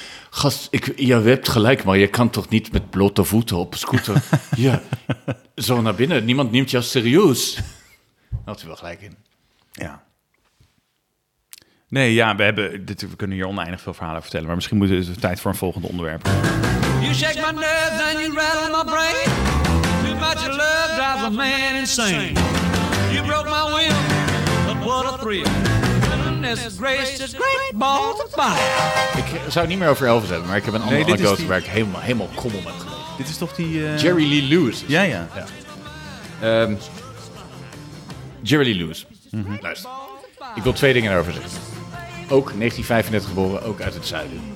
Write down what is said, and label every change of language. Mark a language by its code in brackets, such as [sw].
[nl] Gast, je hebt gelijk, maar je kan toch niet met blote voeten op een scooter zo naar binnen. Niemand neemt jou serieus. Daar had hij wel gelijk in. Ja. Nee, ja, we kunnen hier oneindig veel verhalen vertellen. Maar misschien is het tijd voor een volgende onderwerp. [en] You shake my nerves and you rattle my brain. Too much love drives a man insane. You broke my will, but what a thrill. [nl] Ik zou het niet meer over Elvis hebben, maar ik heb een andere anekdote waar ik helemaal kommel met geleden. Dit is toch die... Jerry Lee Lewis. Ja. Jerry Lee Lewis. Mm-hmm. Luister. Ik wil twee dingen erover zeggen. Ook 1935 geboren, ook uit het zuiden.